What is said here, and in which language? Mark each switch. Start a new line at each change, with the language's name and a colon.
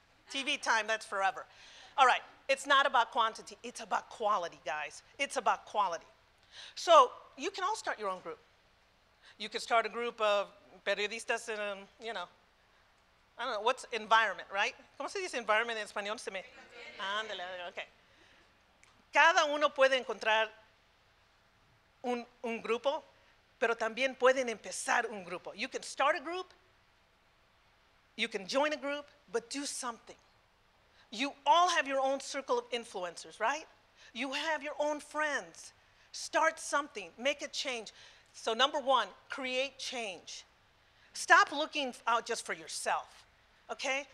English: TV time, that's forever. All right, it's not about quantity. It's about quality, guys. It's about quality. So you can all start your own group. You can start a group of periodistas in, you know, I don't know, what's environment, right?
Spanish: ¿Cómo se dice environment en español? Se me... Ándale, okay. Cada uno puede encontrar un grupo, pero también pueden empezar un grupo.
English: You can start a group, you can join a group, but do something. You all have your own circle of influencers, right? You have your own friends. Start something, make a change. So number one, create change. Stop looking out just for yourself, okay?